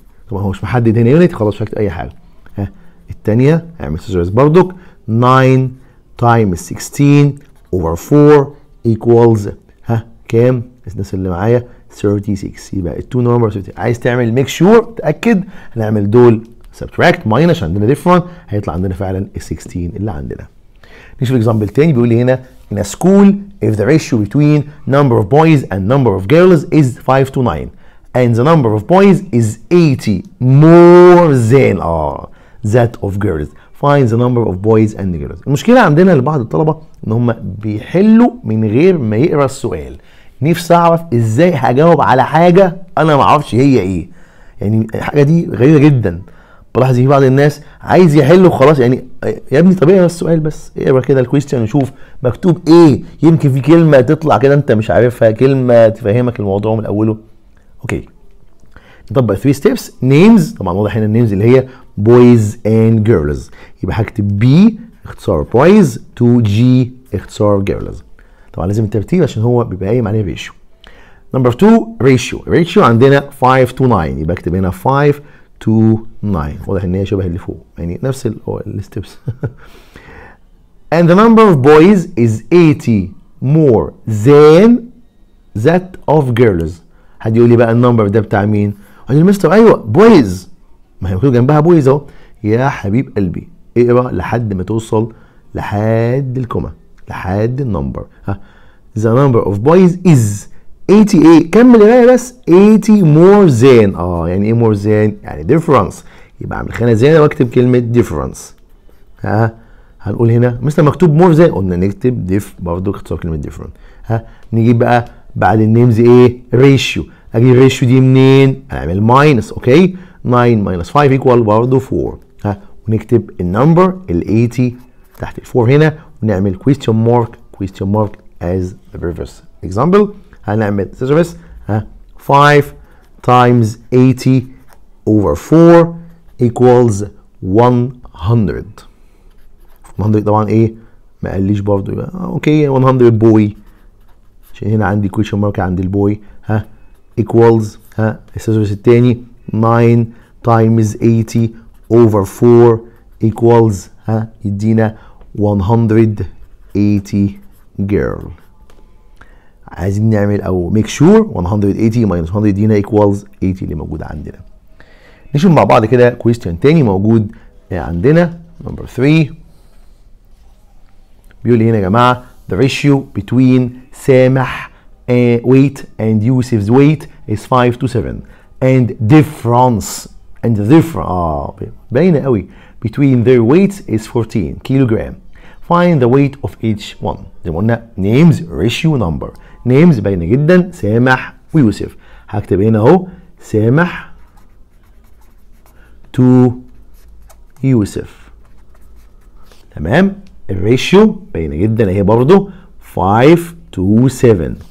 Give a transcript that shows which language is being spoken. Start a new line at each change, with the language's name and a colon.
Arabic: طبعا هو مش محدد هنا يونت، خلاص مش اي حاجه. ها الثانيه اعمل سيزرس برضك 9 تايمز 16 اوفر 4 ايكوالز، ها كام؟ الناس اللي معايا 36. يبقى التو نمبر 36. عايز تعمل ميك شور تاكد، هنعمل دول subtract minus عندنا different هيطلع عندنا فعلا 16 اللي عندنا. نشوف
English: example
Arabic: تاني بيقول لي هنا
English: in a school if the ratio between number of boys and number of girls is 5 to 9 and the number of boys is 80 more than that of girls find the number of boys and girls.
Arabic: المشكلة عندنا لبعض الطلبة ان هم بيحلوا من غير ما يقرأ السؤال. نفسي اعرف ازاي هجاوب على حاجة انا معرفش هي ايه. يعني الحاجة دي غريبة جدا. بلاحظ في بعض الناس عايز يحل وخلاص. يعني يا ابني طب اقرا السؤال بس, اقرا كده الكويستشن وشوف مكتوب ايه, يمكن في كلمه تطلع كده انت مش عارفها, كلمه تفهمك الموضوع من اوله. اوكي نطبق 3 ستيبس. نيمز طبعا واضح هنا النيمز اللي هي بويز اند جيرلز, يبقى هكتب بي اختصار بويز تو جي اختصار جيرلز. طبعا لازم الترتيب عشان هو بيبقى قايم عليه ريشيو. نمبر 2 ريشيو, ريشيو عندنا 5 تو 9 يبقى اكتب هنا
English: 5 to 9
Arabic: واضح ان هي شبه اللي فوق يعني نفس الستبس.
English: And the number of boys is 80 more than that of girls.
Arabic: حد يقول لي بقى النمبر ده بتاع مين؟ قال لي مستر ايوه بويز, ما هي مكتوب جنبها بويز اهو. يا حبيب قلبي اقرا لحد ما توصل لحد الكوما لحد النمبر.
English: The number of boys is 88
Arabic: كمل قرايه بس
English: 80 more than
Arabic: يعني ايه
English: more than يعني difference,
Arabic: يبقى اعمل خانه زياده واكتب كلمه
English: difference.
Arabic: ها هنقول هنا مثل مكتوب more than قلنا نكتب diff برضو اختصار كلمه different. ها نجيب بقى بعد النيمز ايه ratio, اجيب ratio دي منين؟ اعمل minus. اوكي 9 minus 5 equal برضو 4. ها ونكتب النمبر ال 80 تحت ال 4 هنا ونعمل
English: question mark question mark as the previous example.
Arabic: هنعمل سيرفيس 5 times 80 over 4 equals 100. 100 طبعا ايه ما قاليش برضو يبقى اوكي 100 بوي عشان هنا عندي كويشن مارك عند البوي. ها equals ها السيرفيس الثاني
English: 9 times 80 over 4 equals
Arabic: ها يدينا 180 girl. عايزين نعمل او
English: make sure
Arabic: 180 minus 100 دينا equals 80 اللي موجود عندنا. نشوف مع بعض كده
English: question
Arabic: تاني موجود عندنا
English: number 3
Arabic: بيقول هنا يا جماعة
English: the ratio between سامح weight and يوسف's weight is 5 to 7 and difference and difference
Arabic: بينا قوي
English: between their weights is 14 kilogram find the weight of each one.
Arabic: زي ما قلنا
English: names ratio number names
Arabic: باينه جدا سامح ويوسف. هكتب هنا اهو سامح تو يوسف تمام. الريشيو باينه جدا اهي برضو 5 تو 7.